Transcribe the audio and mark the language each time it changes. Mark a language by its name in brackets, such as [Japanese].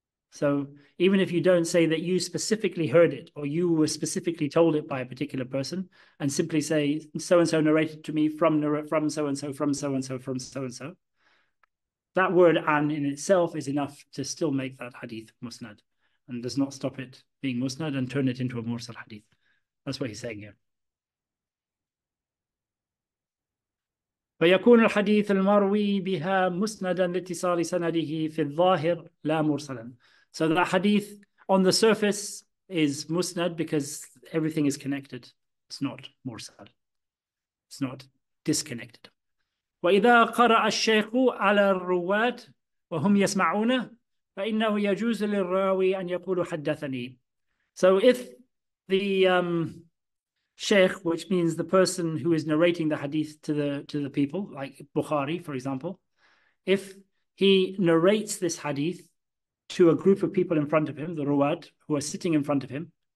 [English] So even if you don't say that you specifically heard it or you were specifically told it by a particular person, and simply say so-and-so narrated to me from so-and-so, from so-and-so, from so-and-so, that word an in itself is enough to still make that hadith musnad and does not stop it being musnad and turn it into a mursal hadith. That's what he's saying here. [Arabic] فيكون الحديث المروي بها مسندا لاتصال سنده في الظاهر لا مرسلا. [English] So the hadith on the surface is musnad because everything is connected. It's not mursal. It's not disconnected. [Arabic] وإذا قرأ الشيخ على الرواة وهم يسمعون فإنه يجوز للراوي أن يقول حدثني. [English] So if the sheikh, which means the person who is narrating the hadith to the people, like Bukhari, for example, if he narrates this hadith to a group of people in front of him, the ruwat, who are sitting in front of him,